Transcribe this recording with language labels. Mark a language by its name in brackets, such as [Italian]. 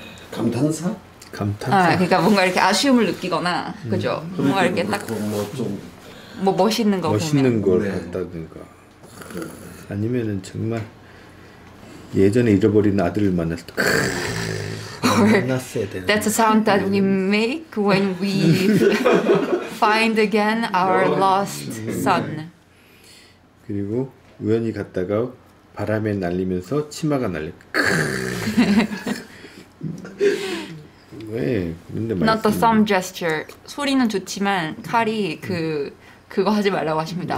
[Korean] 감탄사? 감탄사. 아, 그러니까 뭔가 이렇게 아쉬움을 느끼거나, 그죠? 뭔가 이렇게 딱. 뭐 좀. 뭐 멋있는 거 멋있는 보면. 걸 봤다든가 네. 아니면은 정말 예전에 잃어버린 아들을 만났을 때 만났어야 되는 [English] That's a sound that we make when we find again our lost son. [Korean] 그리고 우연히 갔다가 바람에 날리면서 치마가 날렸다. 왜 그런데 말이야? [English] Not the thumb gesture. [Korean] 소리는 좋지만 칼이 그 그거 하지 말라고 하십니다.